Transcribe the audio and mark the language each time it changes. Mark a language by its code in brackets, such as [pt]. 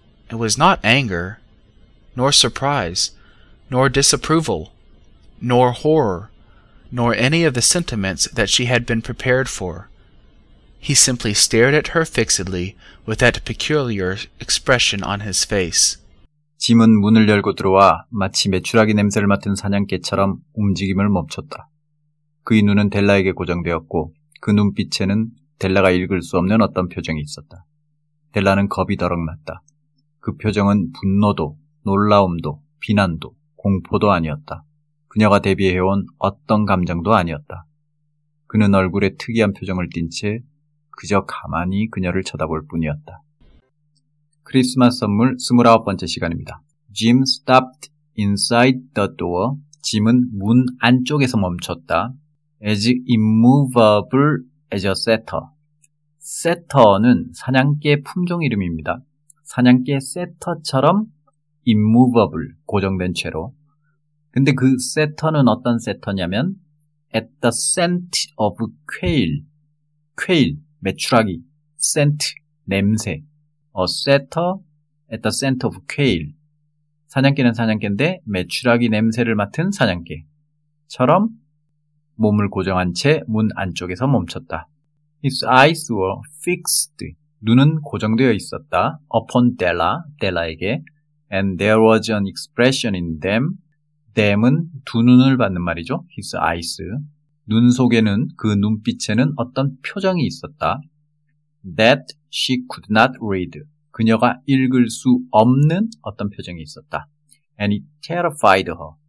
[en] It was not anger, nor surprise, nor disapproval, nor horror, nor any of the sentiments that she had been prepared for. He simply stared at her fixedly with that peculiar expression on his face. [ko] 짐은 문을 열고 들어와 마치 메추라기 냄새를 맡은 사냥개처럼 움직임을 멈췄다. 그의 눈은 델라에게 고정되었고 그 눈빛에는 델라가 읽을 수 없는 어떤 표정이 있었다. 델라는 겁이 더럭 났다. 그 표정은 분노도, 놀라움도, 비난도, 공포도 아니었다. 그녀가 대비해온 어떤 감정도 아니었다. 그는 얼굴에 특이한 표정을 띤 채 그저 가만히 그녀를 쳐다볼 뿐이었다. 크리스마스 선물 29번째 시간입니다. [en] Jim stopped inside the door. [ko] 짐은 문 안쪽에서 멈췄다. [en] As immovable as a setter. [ko] Setter는 사냥개 품종 이름입니다. 사냥개 setter처럼 immovable, 고정된 채로. 근데 그 setter는 어떤 setter냐면 [en] at the scent of quail. [ko] quail, 메추라기. scent, 냄새. [en] A setter at the scent of quail. [ko] 사냥개는 사냥개인데 메추라기 냄새를 맡은 사냥개처럼 몸을 고정한 채 문 안쪽에서 멈췄다. [en] His eyes were fixed. [ko] 눈은 고정되어 있었다. [en] Upon Della, Della에게. And there was an expression in them. [ko] them은 두 눈을 받는 말이죠. [en] His eyes. [ko] 눈 속에는 그 눈빛에는 어떤 표정이 있었다. [en] That she could not read. [ko] 그녀가 읽을 수 없는 어떤 표정이 있었다. [en] And it terrified her.